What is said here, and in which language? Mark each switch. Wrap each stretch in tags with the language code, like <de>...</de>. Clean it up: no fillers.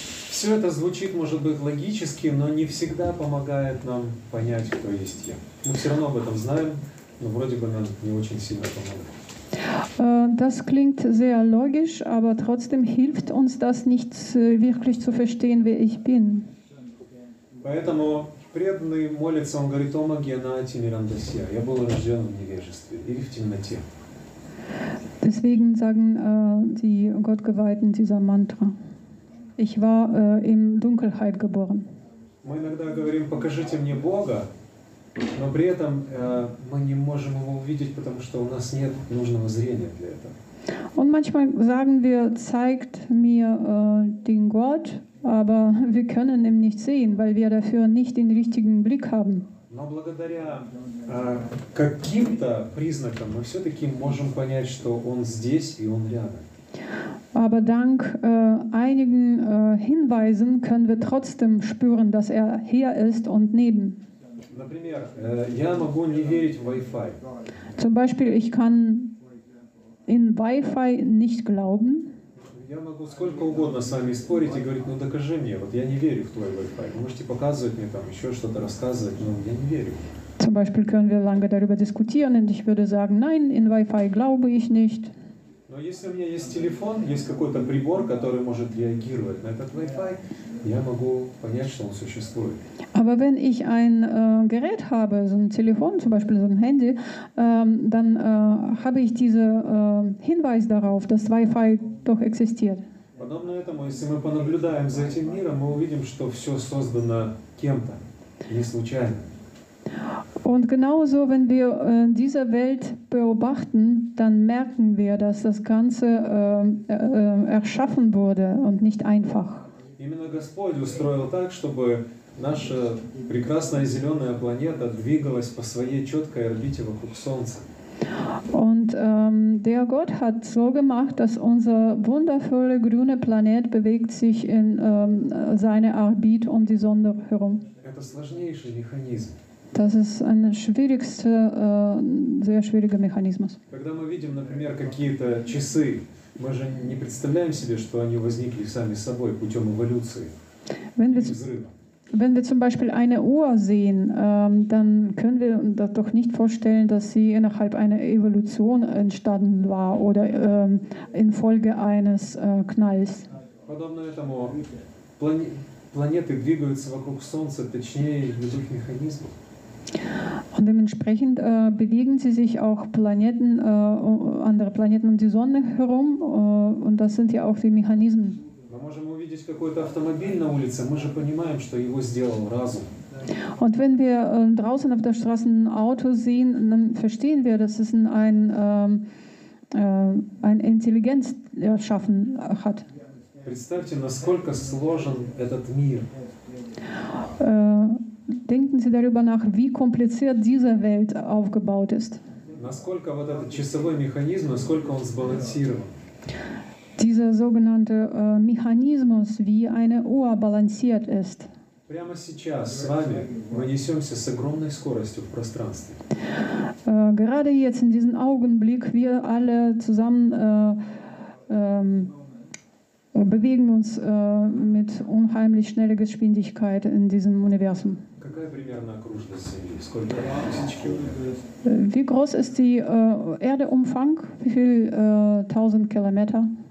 <ru>Все это звучит, может быть, логически, но не всегда помогает нам понять, кто есть я. Мы все равно об этом знаем, но вроде бы нам не очень сильно помогает.</ru> <de>Das klingt sehr logisch, aber trotzdem hilft uns das nicht wirklich zu verstehen, wer ich bin.</de> <ru>Поэтому преданный молится, он говорит, о Магианате Мирандасия, я был рожден в невежестве или в темноте.</ru> <de>Deswegen sagen die Gottgeweihten dieser Mantra, ich war in Dunkelheit geboren.</de> <ru>Мы иногда говорим, покажите мне Бога, но при этом мы не можем его увидеть, потому что у нас нет нужного зрения для этого.</ru> <de>Und manchmal sagen wir, zeigt mir den Gott, aber wir können ihn nicht sehen, weil wir dafür nicht den richtigen Blick haben.</de> <ru>Но благодаря каким-то признакам мы все-таки можем понять, что он здесь и он рядом.</ru> <de>Aber dank einigen Hinweisen können wir trotzdem spüren, dass er hier ist und neben.</de> <ru>Например, я могу не верить в Wi-Fi.</ru> <de>Zum Beispiel, ich kann in Wi-Fi nicht glauben.</de> <ru>Я могу сколько угодно с вами спорить и говорить, ну докажи мне, вот я не верю в твой Wi-Fi. Вы можете показывать мне там еще что-то рассказывать, но я не верю.</ru> <de>Zum Beispiel können wir lange darüber diskutieren und ich würde sagen, nein, in Wi-Fi glaube ich nicht.</de> <ru>Но если у меня есть телефон, есть какой-то прибор, который может реагировать на этот Wi-Fi, я могу понять, что он существует.</ru> <de>Aber wenn ich ein Gerät habe, so ein Telefon, zum Beispiel so ein Handy, dann habe ich diesen Hinweis darauf, dass Wi-Fi doch existiert.</de> <ru>Подобно этому, если мы понаблюдаем за этим миром, мы увидим, что все создано кем-то, не случайно.</ru> <de>Und genauso, wenn wir diese Welt beobachten, dann merken wir, dass das Ganze erschaffen wurde und nicht einfach.</de> <ru>Именно Господь устроил так, чтобы наша прекрасная зеленая планета двигалась по своей четкой орбите вокруг Солнца.</ru> <de>Und der Gott hat so gemacht, dass unser wundervoller grüner Planet bewegt sich in seine Orbit um die Sonne herum.</de> <ru>Это сложнейший механизм.</ru> <de>Das ist ein schwierigster, sehr schwieriger Mechanismus.</de> <ru>Когда мы видим, например, какие-то часы, мы же не представляем себе, что они возникли сами собой путем эволюции или взрыва.</ru> <de>Wenn wir zum Beispiel eine Uhr sehen, dann können wir uns doch nicht vorstellen, dass sie innerhalb einer Evolution entstanden war oder infolge eines Knalls.</de> <ru>Подобно этому планеты двигаются вокруг Солнца, точнее, вокруг механизмов.</ru> <de>Und dementsprechend bewegen sie sich auch Planeten, andere Planeten um die Sonne herum, und das sind ja auch die Mechanismen.</de> <ru>Мы можем увидеть какой-то автомобиль на улице, мы же понимаем, что его сделал разум.</ru> <de>Und wenn wir draußen auf der Straße ein Auto sehen, dann verstehen wir, dass es ein Intelligenz erschaffen hat.</de> <ru>Представьте, насколько сложен этот мир.</ru> <de>Denken Sie darüber nach, wie kompliziert diese Welt aufgebaut ist.</de> <ru>Насколько вот этот часовой механизм, насколько он сбалансирован.</ru> <de>dieser sogenannte Mechanismus wie eine Uhr balanciert ist.</de> <ru>Прямо сейчас с вами мы несемся с огромной скоростью в пространстве.</ru> <de>Gerade jetzt in diesem Augenblick wir alle zusammen bewegen uns mit unheimlich schneller Geschwindigkeit in diesem Universum.</de> <ru>Какая примерно окружность Земли? Сколько тысяч километров?</ru> <de>Wie groß ist die Erdeumfang? Wie viel tausend Kilometer?</de>